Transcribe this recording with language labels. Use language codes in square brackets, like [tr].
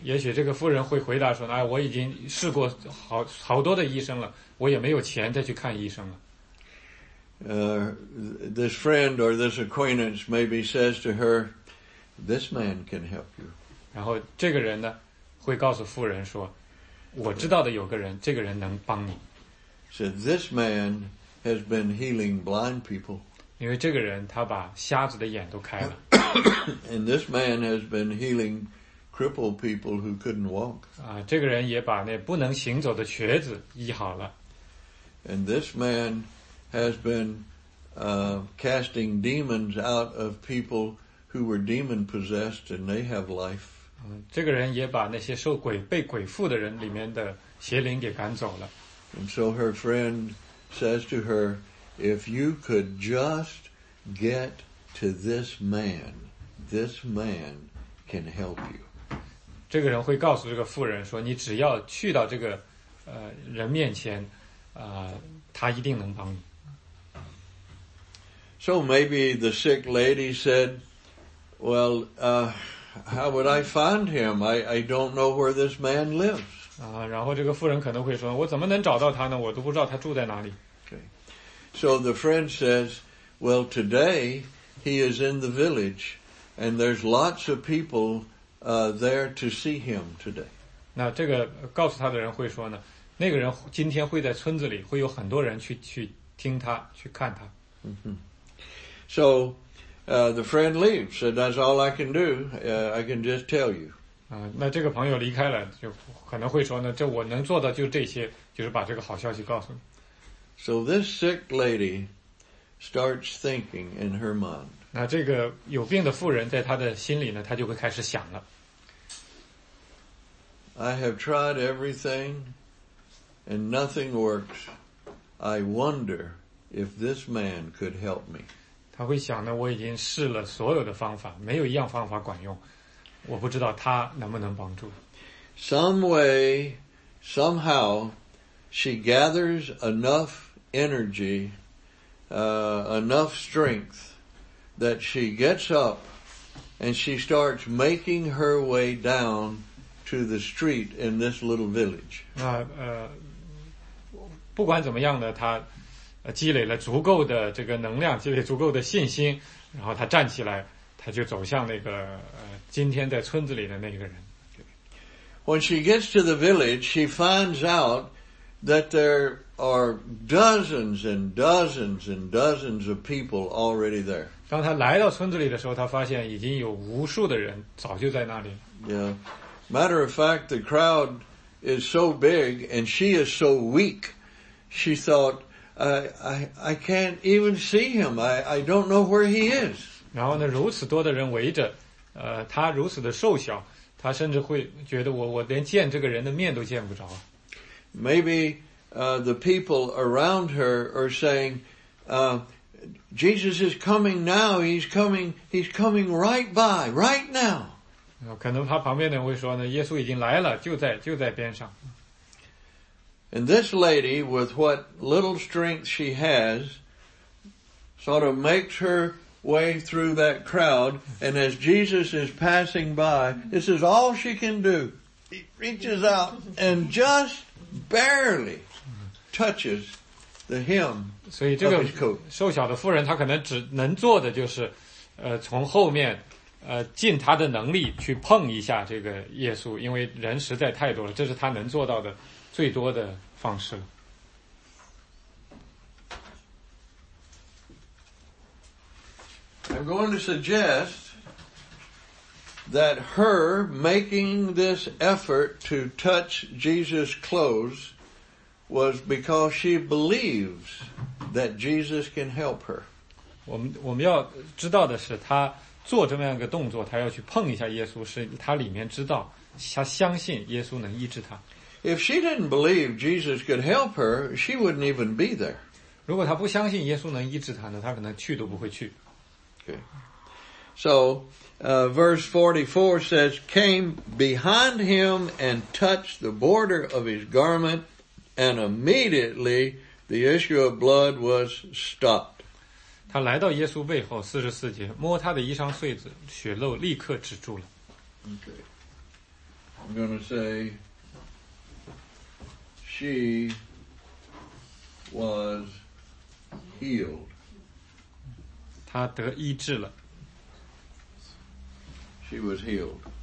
[zh] 也许这个妇人会回答说，哎，我已经试过好多的医生了，我也没有钱再去看医生了。 [en] This friend or this acquaintance maybe says to her, this man can help you. [zh] 然后这个人呢，会告诉妇人说，我知道的有个人，这个人能帮你。 [en] So this man has been healing blind people. [zh] 因为这个人他把瞎子的眼都开了。 [en] And this man has been healing crippled people who couldn't walk. [zh] 啊，这个人也把那不能行走的瘸子医好了。 [en] And this man has been casting demons out of people who were demon possessed, and they have life. [zh] 这个人也把那些受鬼被鬼附的人里面的邪灵给赶走了。 [en] And so her friend says to her, "If you could just get to this man." This man can help you. [zh] 这个人会告诉这个妇人说，你只要去到这个人面前，他一定能帮你。 [en] So maybe the sick lady said, "Well, how would I find him? I don't know where this man lives." [zh] 啊，然后这个妇人可能会说，我怎么能找到他呢？我都不知道他住在哪里。 [en] Okay. So the friend says, "Well, today he is in the village." And there's lots of people there to see him today. [zh] 那这个告诉他的人会说呢，那个人今天会在村子里，会有很多人去听他，去看他。 [en] So, the friend leaves. So that's all I can do. I can just tell you. [zh] 那这个朋友离开了，就可能会说呢，这我能做的就这些，就是把这个好消息告诉你。 [en] So this sick lady starts thinking in her mind. [zh] 那这个有病的妇人在他的心里呢，他就会开始想了。 [en] I have tried everything and nothing works. I wonder if this man could help me. [zh] 他会想呢，我已经试了所有的方法，没有一样方法管用，我不知道他能不能帮助。 [en] Some way, somehow, she gathers enough energy, enough strength, that she gets up and she starts making her way down to the street in this little village. [zh] 不管怎么样呢，她积累了足够的这个能量，积累足够的信心，然后她站起来，她就走向那个今天在村子里的那个人。 [en] When she gets to the village, she finds out that there are dozens and dozens and dozens of people already there. [zh] 当他来到村子里的时候，他发现已经有无数的人早就在那里。 [en] Yeah, matter of fact, the crowd is so big, and she is so weak. She thought, I can't even see him. I don't know where he is. [zh] 然后呢，如此多的人围着，他如此的瘦小，他甚至会觉得我连见这个人的面都见不着。 [en] Maybe, the people around her are saying, Jesus is coming now. He's coming. He's coming right by, right now. [zh] 可能他旁边的人会说呢，耶稣已经来了，就在边上。 [en] And this lady, with what little strength she has, sort of makes her way through that crowd. And as Jesus is passing by, this is all she can do. He reaches out and just barely touches the hem. [zh] 所以这个瘦小的妇人，她可能只能做的就是，从后面，尽她的能力去碰一下这个耶稣，因为人实在太多了，这是她能做到的最多的方式了。 [en] I'm going to suggest that her making this effort to touch Jesus' clothes. Was because she believes that Jesus can help her. [zh] 我们要知道的是，她做这么样一个动作，她要去碰一下耶稣，是她里面知道，她相信耶稣能医治她。 [en] If she didn't believe Jesus could help her, she wouldn't even be there. [zh] 如果她不相信耶稣能医治她呢，她可能去都不会去。 [en] Okay. So, verse 44 says, "Came behind him and touched the border of his garment." And immediately the issue of blood was stopped. [zh] 他来到耶稣背后，44节，摸他的衣裳穗子，血漏立刻止住了。 [en] Okay. I'm going to say she was healed. [zh] 她得医治了。 [en] She was healed.